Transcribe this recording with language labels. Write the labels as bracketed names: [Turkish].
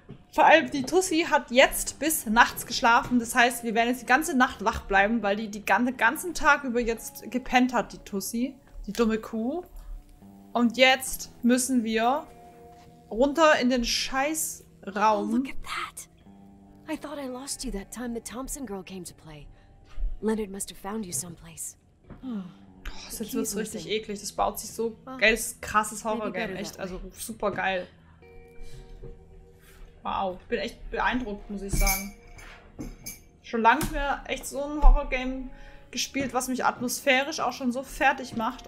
[German] Vor allem, die Tussi hat jetzt bis nachts geschlafen. Das heißt, wir werden jetzt die ganze Nacht wach bleiben, weil die den ganzen Tag über jetzt gepennt hat, die Tussi. Die dumme Kuh. Und jetzt müssen wir runter in den Scheiß... Raum. [English] Oh, look at that! I thought I lost you that time the Thompson girl came to play. Leonard must have found you someplace. [German] Oh, das jetzt wird's richtig eklig. Das baut sich so geiles, krasses Horror-Game. Echt, also super geil. Wow, ich bin echt beeindruckt, muss ich sagen. Schon lange mehr echt so ein Horror-Game gespielt, was mich atmosphärisch auch schon so fertig macht.